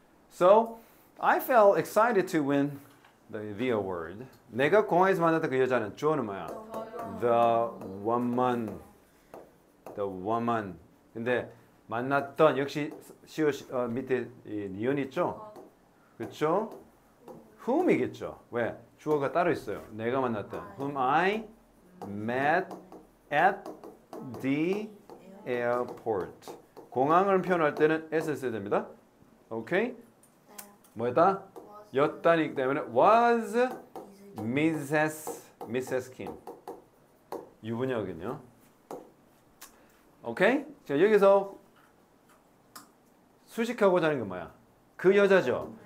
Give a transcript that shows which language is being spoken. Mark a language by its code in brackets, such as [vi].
[en] So I felt excited to win the award. [ko] 내가 공항에서 만났던 그 여자는 주어는 뭐야? [en] The woman. The woman. [ko] 근데 만났던 역시 시옷 밑에 이 니언 있죠? 그렇죠? whom이겠죠? 왜? 주어가 따로 있어요. 내가 만났던 [en] whom I met at the airport. [ko] 공항을 표현할 때는 s 써야 됩니다. 오케이? 뭐였다? 였다니기 때문에 [en] was Mrs. Kim. [ko] 유부녀군요. 오케이? 자, 여기서 수식하고자 하는 건 뭐야? 그 여자죠.